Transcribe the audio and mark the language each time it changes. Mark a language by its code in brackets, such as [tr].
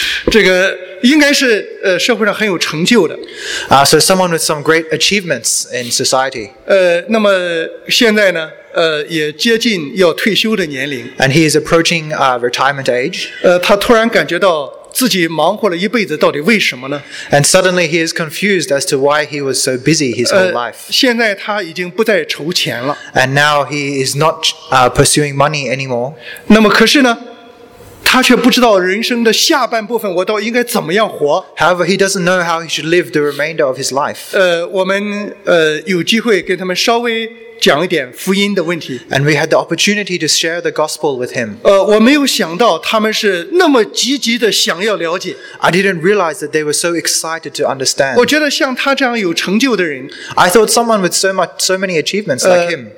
[zh] 这个应该是社会上很有成就的。 [en] So someone with some great achievements in society. [zh] 那么现在呢，也接近要退休的年龄。 [en] And he is approaching retirement age. [zh] 他突然感觉到自己忙活了一辈子，到底为什么呢？ [en] And suddenly he is confused as to why he was so busy his whole life. [zh] 现在他已经不再愁钱了。 [en] And now he is not pursuing money anymore. [zh] 那么可是呢，他却不知道人生的下半部分我到底应该怎么样活。 [en] However, he doesn't know how he should live the remainder of his life. [zh] 我们有机会跟他们稍微讲一点福音的问题。 [en] And we had the opportunity to share the gospel with him. [zh] 我没有想到他们是那么积极的想要了解。 [en] I didn't realize that they were so excited to understand. [zh] 我觉得像他这样有成就的人， [en] I thought someone with so many achievements like him.